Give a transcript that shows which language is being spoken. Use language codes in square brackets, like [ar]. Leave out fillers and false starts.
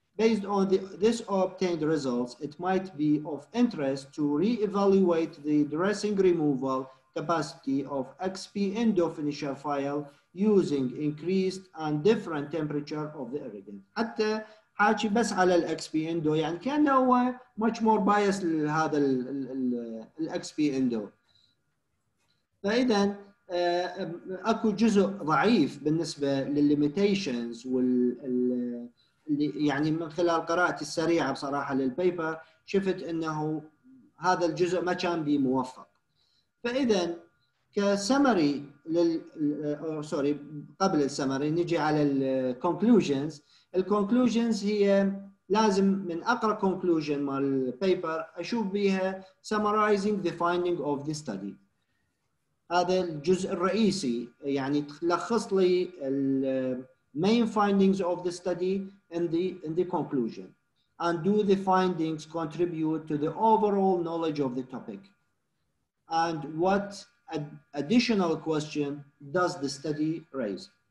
[en] Based on this obtained results, it might be of interest to re-evaluate the dressing removal capacity of XP endofinisher file using increased and different temperature of the irrigant. [ar] حتى حاكي بس على ال XP endo يعني كأنه هو [en] much more biased [ar] لهذا ال XP endo. فإذا اكو جزء ضعيف بالنسبة لل limitations وال يعني من خلال قراءتي السريعة بصراحة للبيبر شفت انه هذا الجزء ما كان بي موفق. فإذا كسمري سوري قبل السمري نجي على الكونكلوجنز. الكونكلوجنز هي لازم من اقرا كونكلوجن مال البيبر اشوف بيها [en] summarizing the finding of the study. [ar] هذا الجزء الرئيسي يعني تلخص لي [en] main findings of the study in the conclusion, and do the findings contribute to the overall knowledge of the topic, and what additional question does the study raise.